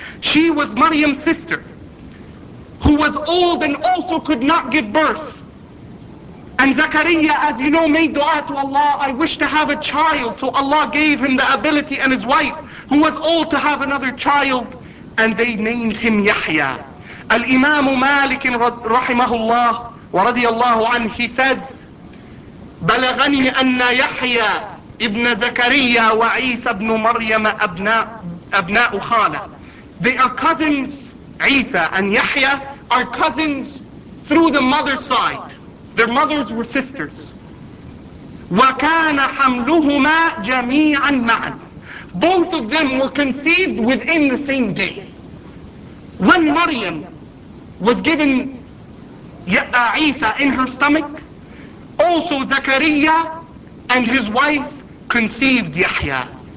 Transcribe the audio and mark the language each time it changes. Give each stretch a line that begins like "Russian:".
English: She was Maryam's sister, who was old and also could not give birth. And Zakariya, as you know, made dua to Allah, I wish to have a child. So Allah gave him the ability and his wife, who was old, to have another child. And they named him Yahya. Al-Imam Malik, rahimahullah, wa radiyallahu anhu, he says,
Arabic: بَلَغَنِي أَنَّ يَحْيَى إِبْنَ زَكَرِيَّا وَعِيسَى بْنُ مَرْيَمَ أَبْنَاءُ خَالَى.
English: They are cousins, Isa and Yahya are cousins through the mother's side. Their mothers were sisters.
Arabic: وَكَانَ حَمْلُهُمَا جَمِيعًا مَعًا.
English: Both of them were conceived within the same day. When Maryam was given Isa in her stomach, also Zakariya and his wife conceived Yahya.